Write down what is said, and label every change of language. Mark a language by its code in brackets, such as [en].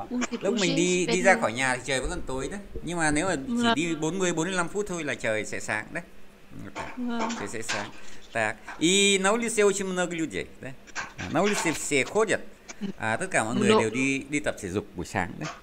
[vi] Lúc mình đi ra khỏi nhà thì trời vẫn còn tối đó. Nhưng mà nếu mà chỉ đi 40-45 phút thôi là trời sẽ sáng đấy. Trời sẽ sáng. [ru] Так. И на улице очень много людей, да? На улице все ходят. [vi] À, tất cả mọi người đều đi đi tập thể dục buổi sáng đấy.